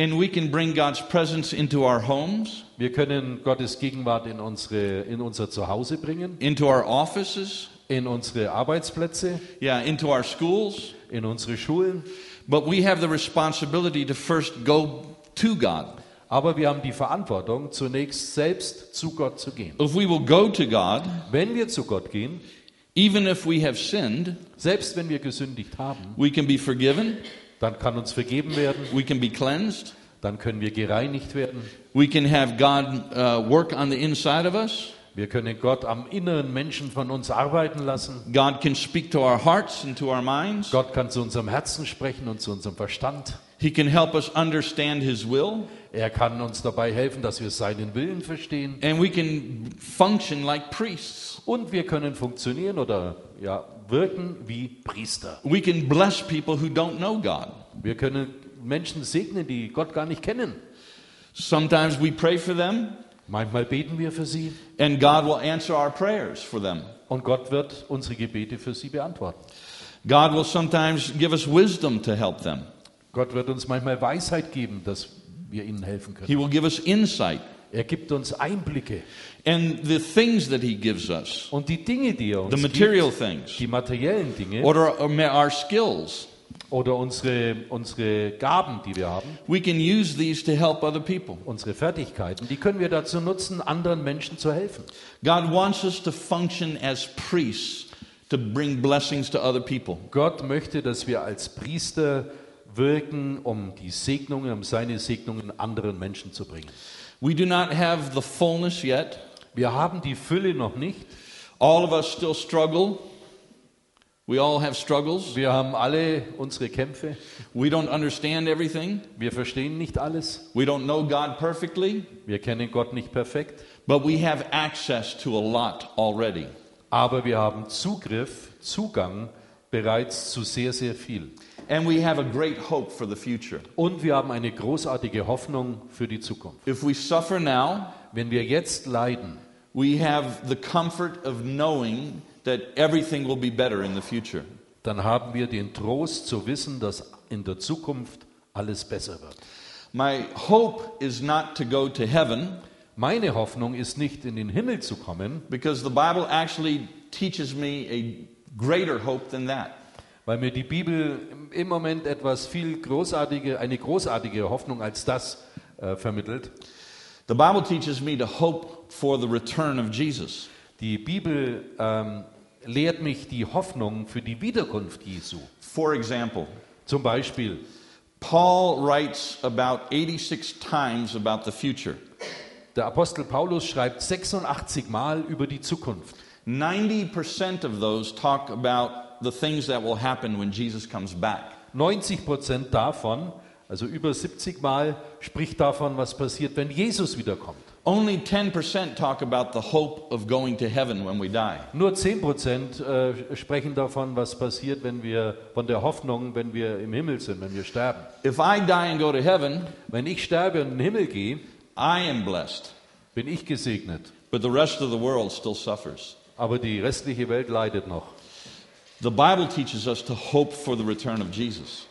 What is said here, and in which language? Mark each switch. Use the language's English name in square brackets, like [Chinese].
[English] And we can bring God's presence into our homes. [German] Wir können Gottes Gegenwart in unser Zuhause bringen. [English] Into our offices. [German] In unsere Arbeitsplätze. [English] Yeah, into our schools. [German] In unsere Schulen. [English] But we have the responsibility to first go to God. [German] Aber wir haben die Verantwortung, zunächst selbst zu Gott zu gehen. [English] If we will go to God, [German] wenn wir zu Gott gehen, [English] even if we have sinned, [German] selbst wenn wir gesündigt haben, [English] we can be forgiven. [German] Dann kann uns vergeben werden. [English] We can be cleansed. [German] Dann können wir gereinigt werden. [English] We can have God work on the inside of us. [German] Wir können Gott am inneren Menschen von uns arbeiten lassen. [English] God can speak to our hearts and to our minds. [German] Gott kann zu unserem Herzen sprechen und zu unserem Verstand. [English] He can help us understand his will. [German] Er kann uns dabei helfen, dass wir seinen Willen verstehen. [English] And we can function like priests. [German] Und wir können funktionieren oder ja, wirken wie Priester. [English] We can bless people who don't know God. [German] Wir können Menschen segnen, die Gott gar nicht kennen. [English] Sometimes we pray for them. [German] Manchmal beten wir für sie. [English] And God will answer our prayers for them. [German] Und Gott wird unsere Gebete für sie beantworten. [English] God will sometimes give us wisdom to help them. [German] Gott wird uns manchmal Weisheit geben, dass wir ihnen helfen können. [English] He will give us insight. [German] Er gibt uns Einblicke. [English] And the things that he gives us. [German] Und die Dinge, die er uns [English] the material [German] gibt, [English] things. [German] Die materiellen Dinge. [English] Or our skills. [German] Oder unsere Gaben, die wir haben. [English] We can use these to help other people. [German] Unsere Fertigkeiten, die können wir dazu nutzen, anderen Menschen zu helfen. [English] God wants us to function as priests to bring blessings to other people. [German] Gott möchte, dass wir als Priester wirken, um die Segnungen, um seine Segnungen anderen Menschen zu bringen. [English] We do not have the fullness yet. [German] Wir haben die Fülle noch nicht. [English] All of us still struggle. We all have struggles. [German] Wir haben alle unsere Kämpfe. [English] We don't understand everything. [German] Wir verstehen nicht alles. [English] We don't know God perfectly. [German] Wir kennen Gott nicht perfekt. [English] But we have access to a lot already. [German] Aber wir haben Zugang bereits zu sehr, sehr viel. [English] And we have a great hope for the future. [German] Und wir haben eine großartige Hoffnung für die Zukunft. [English] If we suffer now, [German] wenn wir jetzt leiden, [English] we have the comfort of knowing that everything will be better in the future. [German] Dann haben wir den Trost zu wissen, dass in der Zukunft alles besser wird. [English] My hope is not to go to heaven. [German] Meine Hoffnung ist nicht in den Himmel zu kommen, [English] because the Bible actually teaches me a greater hope than that. [German] Weil mir die Bibel im Moment etwas viel großartige, eine großartige Hoffnung als das vermittelt. [English] The Bible teaches me to hope for the return of Jesus. [German] Die Bibel lehrt mich die Hoffnung für die Wiederkunft Jesu. [English] For example, [German] zum Beispiel, [English] Paul writes about 86 times about the future. [German] Der Apostel Paulus schreibt 86 Mal über die Zukunft. [English] 90% of those talk about the things that will happen when Jesus comes back. [German] 90% davon, also über 70 Mal, spricht davon, was passiert, wenn Jesus wiederkommt. [English] Only 10% talk about the hope of going to heaven when we die. [German] Nur 10% sprechen davon, was passiert, wenn wir von der Hoffnung, wenn wir im Himmel sind, wenn wir sterben. [English] If I die and go to heaven, [German] wenn ich sterbe und in den Himmel gehe, [English] I am blessed. [German] Bin ich gesegnet. [English] But the rest of the world still suffers. [German] Aber die restliche Welt leidet noch. [English] The Bible teaches us to hope for the return of Jesus.